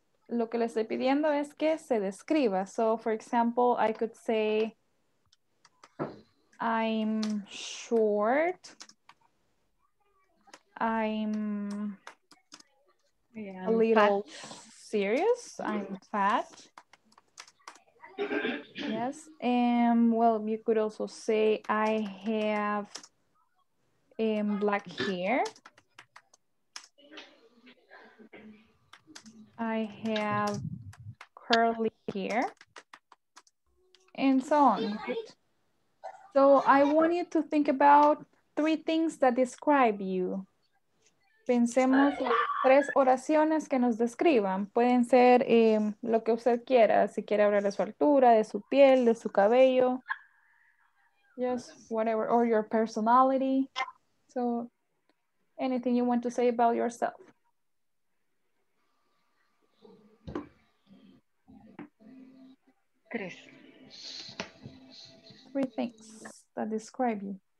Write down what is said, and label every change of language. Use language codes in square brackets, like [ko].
[es] Lo que le estoy pidiendo es que se describa. [en] So, for example, I could say, I'm short. I'm a little fat. Serious. I'm fat. Yes. Well, you could also say, I have black hair. I have curly hair, and so on. So I want you to think about three things that describe you. [es] Pensemos tres oraciones que nos describan. Pueden ser lo que usted quiera. Si quiere hablar de su altura, de su piel, de su cabello. [en] Just whatever, or your personality. So anything you want to say about yourself. Three things that describe you.